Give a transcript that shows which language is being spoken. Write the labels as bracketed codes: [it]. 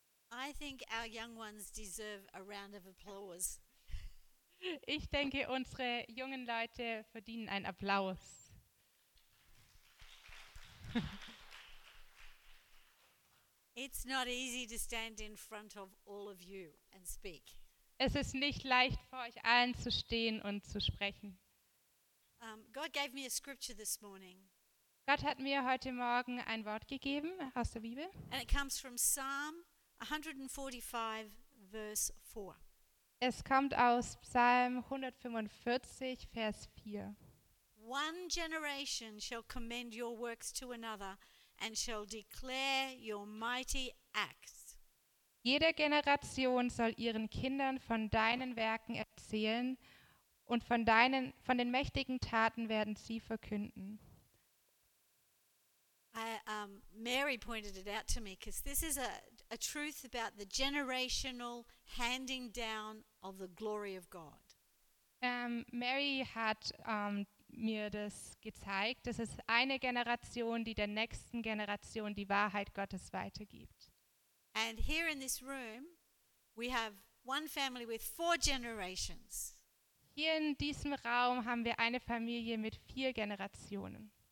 [en] I think our young ones deserve a round of applause. [de] Ich denke, unsere jungen Leute verdienen einen Applaus. [en] It's not easy to stand in front of all of you and speak. [de] Es ist nicht leicht, vor euch allen zu stehen und zu sprechen. [en] God gave me a scripture this morning. [de] Gott hat mir heute Morgen ein Wort gegeben aus der Bibel. [en] And it comes from Psalm 145, verse 4. [de] Es kommt aus Psalm 145, Vers 4. [en] One generation shall commend your works to another and shall declare your mighty acts. [de] Jede Generation soll ihren Kindern von deinen Werken erzählen und von den mächtigen Taten werden sie verkünden. [en] Mary pointed it out to me because this is a truth about the generational handing down of the glory of God. [de] Mary hat mir das gezeigt. Das ist eine Generation, die der nächsten Generation die Wahrheit Gottes weitergibt. [en] And here in this room, we have one family with four generations. [de] Hier in diesem Raum haben wir eine Familie mit vier Generationen.